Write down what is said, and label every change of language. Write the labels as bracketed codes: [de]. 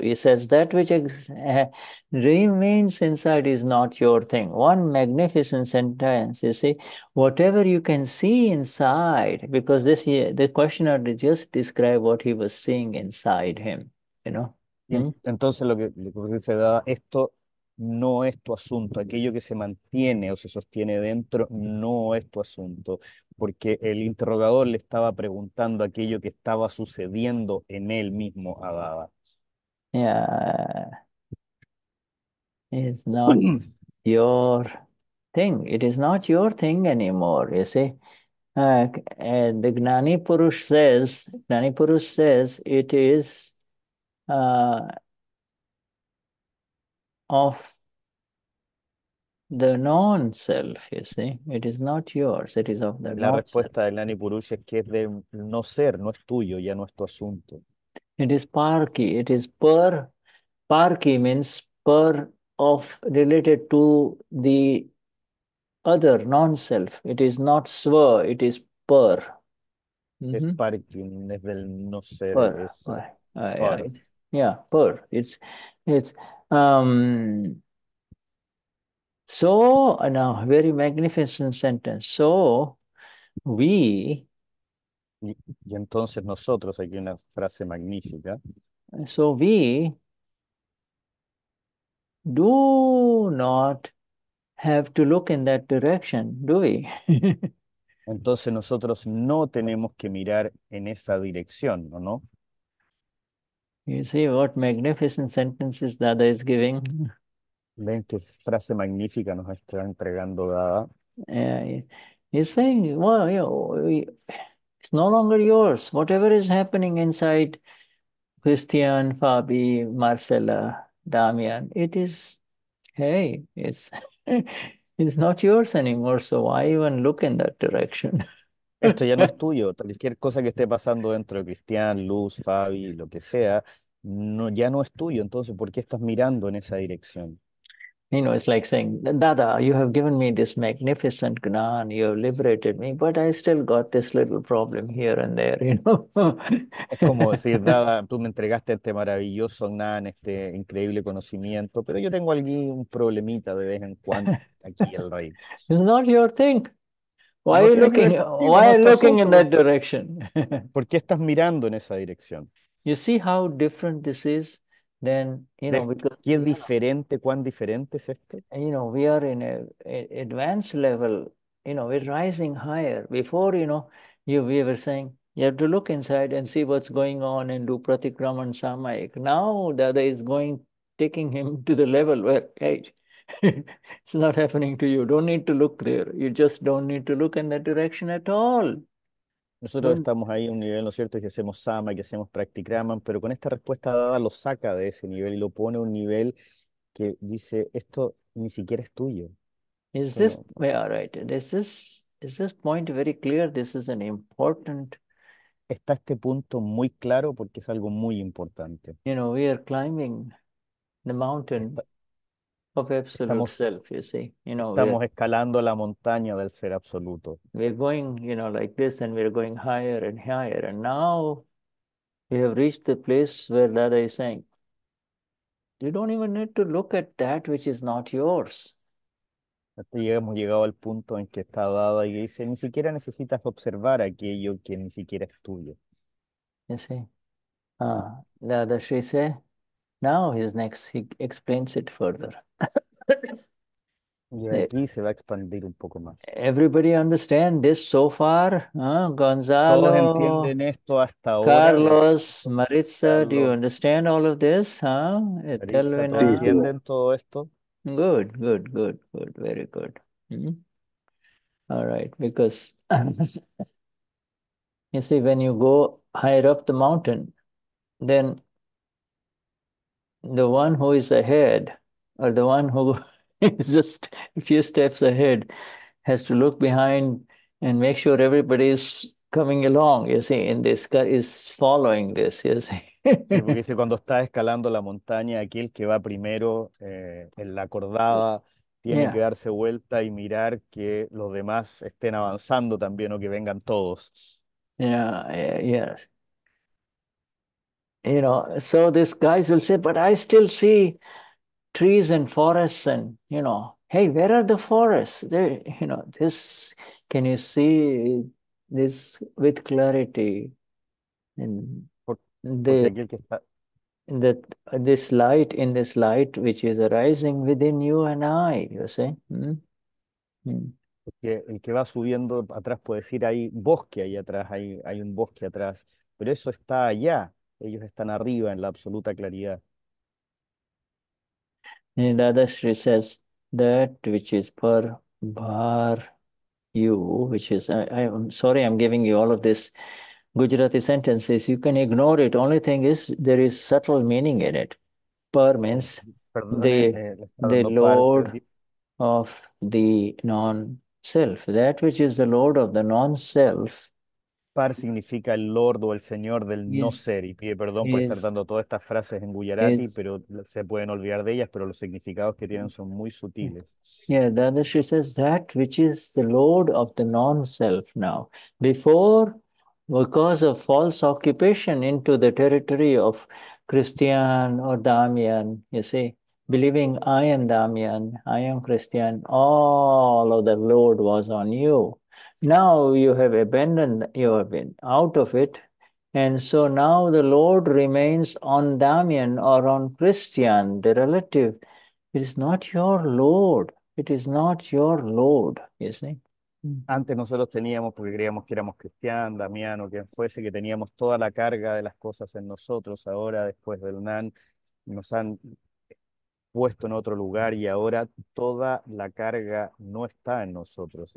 [en] He says that which remains inside is not your thing. One magnificent sentence, you see, whatever you can see inside, because this, the questioner did just describe what he was seeing inside him, you know. [es] Entonces lo que se da, esto no es tu asunto, aquello que se mantiene o se sostiene dentro no es tu asunto, porque el interrogador le estaba preguntando aquello que estaba sucediendo en él mismo a Dada. [en] Yeah, it is not your thing. It is not your thing anymore, you see. And the Gnani Purush says it is of the non-self, you see. It is not yours, it is of the [es] La [en] non-self. [es] respuesta del Gnani Purusha es que es de no ser, no es tuyo, ya no es tu asunto. [en] It is parki, it is per, parki means per of related to the other, non-self. It is not sva, it is per. [es] Es parki, es del no ser, per. Es [en] per. Yeah, per. It's so, now, very magnificent sentence. So, we... [es] Y entonces nosotros, aquí una frase magnífica. [en] So we do not have to look in that direction, do we? [es] Entonces nosotros no tenemos que mirar en esa dirección, ¿o no? [en] You see what magnificent sentences Dada is giving. [es] ¿Ven qué frase magnífica nos está entregando Dada? [en] He's saying, well, you know, it's no longer yours. Whatever is happening inside Cristian, Fabi, Marcela, Damian, it is, hey, it's not yours anymore. So why even look in that direction? [es] Esto ya no es tuyo. Cualquier cosa que esté pasando dentro de Cristian, Luz, Fabi, lo que sea, no, ya no es tuyo. Entonces, ¿por qué estás mirando en esa dirección? [en] You know, it's like saying, Dada, you have given me this magnificent gnan, you have liberated me, but I still got this little problem here and there, you know. [es] Es como decir, Dada, tú me entregaste este maravilloso gnan, este increíble conocimiento, pero yo tengo un problemita de vez en cuando aquí el rey. [en] It's not your thing. Why [es] no [en] are you looking, [es] contigo, [en] why [es] no [en] are you looking [es] asunto, [en] in that direction? [es] ¿Por qué estás mirando en esa dirección? [en] You see how different this is than, you know, because... [es] ¿Qué diferente, cuán diferente es esto? [en] You know, we are in an advanced level, you know, we're rising higher. Before, you know, we were saying, you have to look inside and see what's going on and do pratikraman samayik. Now, Dada is going, taking him to the level where, hey, it's not happening to you. Don't need to look there. You just don't need to look in that direction at all. [es] Nosotros estamos ahí a un nivel, ¿no es cierto?, que hacemos Sama, que hacemos Practicraman, pero con esta respuesta Dada lo saca de ese nivel y lo pone a un nivel que dice, esto ni siquiera es tuyo. [en] Is this, yeah, right. Is this point very clear? This is an important... [es] Está este punto muy claro porque es algo muy importante. [en] You know, we are climbing the mountain of absolute self, you see. You know, [es] estamos escalando la montaña del ser absoluto. [en] We're going, you know, like this, and we're going higher and higher. And now we have reached the place where Dada is saying, you don't even need to look at that which is not yours. [es] Hasta hemos llegado al punto en que está Dada y dice, ni siquiera necesitas observar aquello que ni siquiera es tuyo. [en] You see. Dada Shri say, now he's next, he explains it further. [es] Y aquí se va a expandir un poco más. [en] Everybody understand this so far? Gonzalo, [es] todos entienden esto hasta ahora. [en] Carlos, Maritza, do you understand all of this? [es] Maritza, ¿todos entienden todo esto? [en] Good, good, good, good, very good. All right, because you see, when you go higher up the mountain, then the one who is ahead, or the one who is just a few steps ahead, has to look behind and make sure everybody is coming along, you see, in this, is following this, you see. [es] Sí, porque dice, cuando está escalando la montaña, aquel que va primero en la cordada tiene que darse vuelta y mirar que los demás estén avanzando también o que vengan todos. [en] Yeah, yes. You know, so this guys will say, but I still see trees and forests, and you know, hey, where are the forests? There, you know, this, can you see this with clarity? And this light, in this light which is arising within you and I, you see? [es] Porque el que va subiendo atrás puede decir hay bosque ahí atrás, hay un bosque atrás, pero eso está allá, ellos están arriba en la absoluta claridad. [en] Dadashri says that which is per bar you, which is, I'm sorry, I'm giving you all of this Gujarati sentences, you can ignore it. Only thing is there is subtle meaning in it. Par means the lord of the non-self. That which is the lord of the non-self. [es] Par significa el lord o el señor del no ser. Y pide perdón por estar dando todas estas frases en Gujarati, pero se pueden olvidar de ellas, pero los significados que tienen son muy sutiles. [en] Yeah, then she says that which is the lord of the non-self now. Before, because of false occupation into the territory of Cristian or Damian, you see, believing I am Damian, I am Cristian, all of the load was on you. Now you have abandoned, you have been out of it. And so now the load remains on Damian or on Cristian, the relative. It is not your load. It is not your load, you see. [es] Antes nosotros teníamos, porque creíamos que éramos Cristian, Damián o quien fuese, que teníamos toda la carga de las cosas en nosotros. Ahora, después del NAN, nos han puesto en otro lugar y ahora toda la carga no está en nosotros.